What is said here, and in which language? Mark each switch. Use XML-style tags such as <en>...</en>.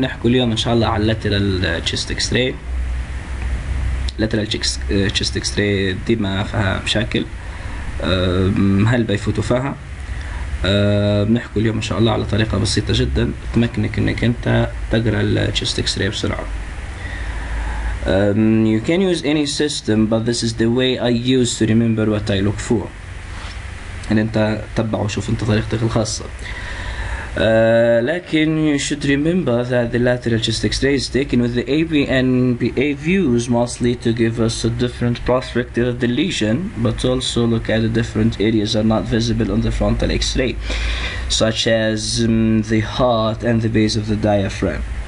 <ar>نحكي اليوم ان شاء الله على اللاترال تشيست اكس راي. اللاترال تشيست اكس راي ديما فيها مشاكل، هل بيفوتوا فيها؟ بنحكي اليوم ان شاء الله على طريقه بسيطه جدا تمكنك انك انت تقرا التشيست اكس راي بسرعه.</ar> <en>You can use any system but this is the way I use to remember what I look for.</en> <ar>ان انت تبع وشوف انت طريقتك الخاصه.</ar> <en>لكن you should remember that the lateral chest x-ray is taken with the AV and PA views mostly to give us a different perspective of the lesion, but also look at the different areas that are not visible on the frontal x-ray, such as the heart and the base of the diaphragm.</en>